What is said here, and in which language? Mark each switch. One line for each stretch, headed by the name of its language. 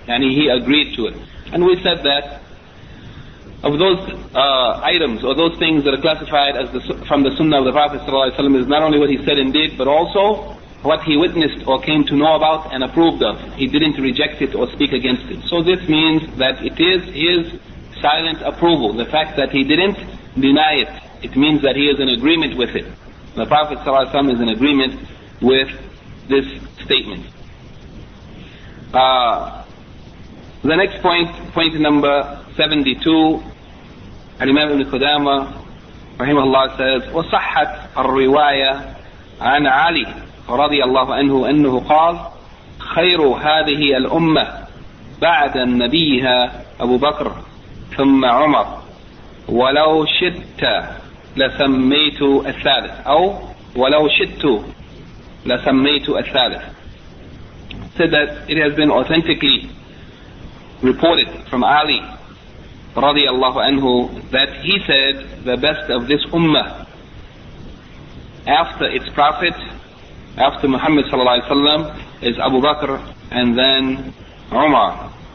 English: يعني he agreed to it. And we said that of those items or those things that are classified as from the Sunnah of the Prophet صلى الله عليه وسلم is not only what he said and did, but also what he witnessed or came to know about and approved of. He didn't reject it or speak against it. So this means that it is his silent approval. The fact that he didn't deny it, it means that he is in agreement with it. The Prophet صلى الله عليه وسلم is in agreement with this statement. The next point, point number 72, Al-Imam Ibn Qudama rahimahullah says,
Arabic: وصحت الرواية عن علي رضي الله عنه أنه قال خير هذه الأمة بعد نبيها أبو بكر ثم عمر ولو شئت لسميت الثالث أو ولو شئت لسميت الثالث.
English: Said that it has been authentically reported from Ali رضي الله عنه that he said the best of this ummah after its prophet, after Muhammad صلى الله عليه وسلم, is Abu Bakr and then Umar.